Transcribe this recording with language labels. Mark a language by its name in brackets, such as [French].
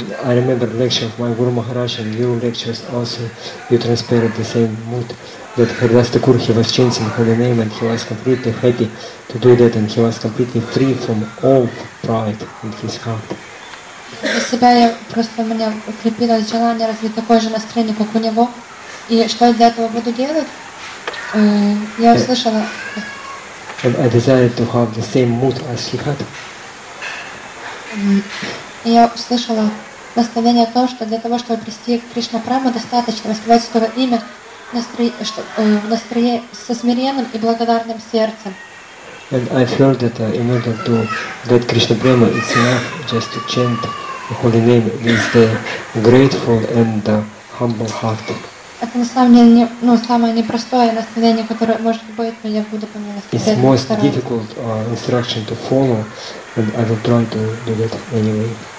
[English] I remember the lecture of my Guru Maharaj and your lectures also, you transpired the same mood. That Haridas Thakur, he was chanting holy name and he was completely happy to do that and he was completely free from all pride in his heart. [Russian] Для себя я просто, меня укрепило желание развить такое же настроение, как у него. И что я для этого буду делать? Я услышала. [English] And I desired to have the same mood as he had. [Russian] Я услышала наставление о том, что для того, чтобы прийти к Кришна Праму, достаточно воспевать Святого имя в настроении со смиренным и благодарным сердцем. [English] And I've heard that in order to get Krishna Prema, it's enough just to chant the holy name with the grateful and humble heart. [Russian] Это на самом деле не, ну, самое непростое наставление, которое может быть, но я буду по нему следовать. [English] It's most difficult instruction to follow, and I will try to do that anyway.